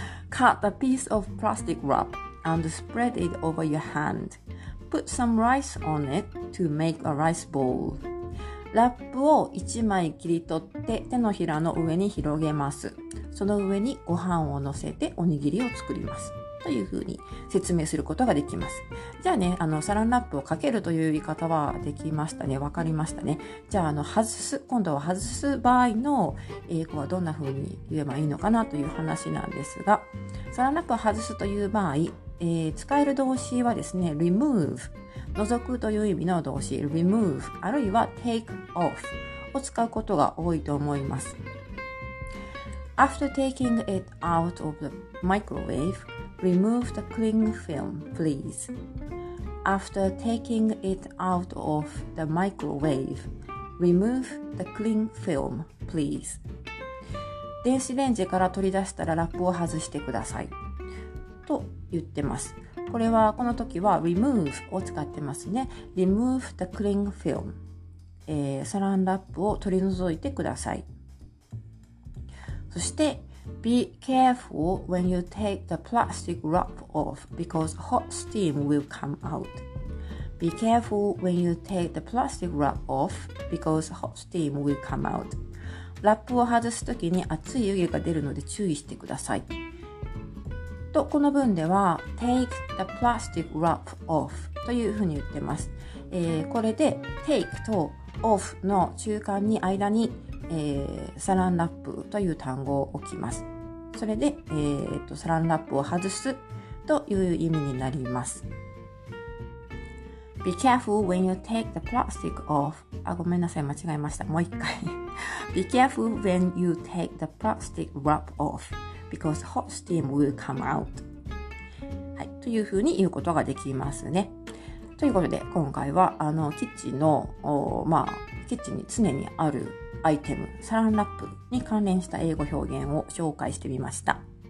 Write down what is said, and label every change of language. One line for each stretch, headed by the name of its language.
English: Cut a piece of plastic wrap and spread it over your hand. Put some rice on it to make a rice ball.
Japanese: ラップを一枚切り取って手のひらの上に広げます。その上にご飯を乗せておにぎりを作ります。というふうに説明することができます。じゃあね、サランラップをかけるという言い方はできましたね。わかりましたね。じゃあ、今度は外す場合の英語はどんなふうに言えばいいのかなという話なんですが、サランラップを外すという場合、使える動詞はですね、remove、除くという意味の動詞、remove、あるいは take off を使うことが多いと思います。
English: After taking it out of the microwave,Remove the cling film, please. After taking it out of the microwave, remove the cling film, please.
Japanese: 電子レンジから取り出したらラップを外してください。と言ってます。これはこの時は remove を使ってますね。
English: Remove the cling film.、
Japanese: サランラップを取り除いてください。
English: そして、Be careful when you take the plastic wrap off because hot steam will come out. Be careful when you take the plastic wrap off because hot steam will come out.
Japanese: ラップを外すときに熱い湯気が出るので注意してください。と、この文では
English: take the plastic wrap off
Japanese: というふうに言ってます。これで take と off の中間に間にサランラップという単語を置きます。それで、サランラップを外すという意味になります。
English: Be careful when you take the plastic off.
Japanese: あ、ごめんなさい、間違えました。もう一回。
English: Be careful when you take the plastic wrap off because hot steam will come out.
Japanese: はい、というふうに言うことができますね。ということで、今回はキッチンの、まあ、キッチンに常にあるアイテム、サランラップに関連した英語表現を紹介してみました。